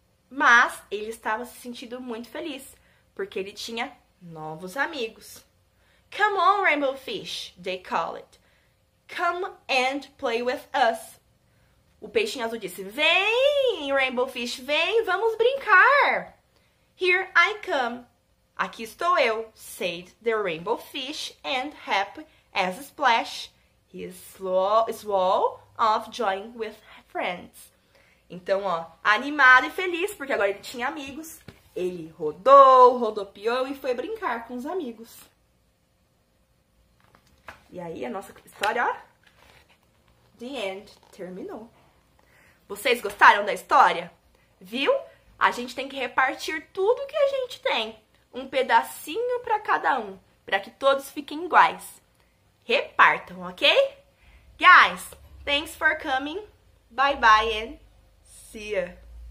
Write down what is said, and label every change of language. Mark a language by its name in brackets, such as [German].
[Portuguese] Mas ele estava se sentindo muito feliz, porque ele tinha novos amigos. [English] Come on, rainbow fish, they call it. Come and play with us. [Portuguese] O peixinho azul disse, vem, rainbow fish, vem, vamos brincar. [English] Here I come. [Portuguese] Aqui estou eu, [English] said the rainbow fish, and happy as a splash, he swole off joy with friends. [Portuguese] Então, ó, animado e feliz, porque agora ele tinha amigos. Ele rodou, rodopiou e foi brincar com os amigos. E aí, a nossa história, ó, [English] the end, [Portuguese] terminou. Vocês gostaram da história? Viu? A gente tem que repartir tudo que a gente tem. Um pedacinho para cada um, para que todos fiquem iguais. Repartam, ok? [English] Guys, thanks for coming. Bye bye and see ya.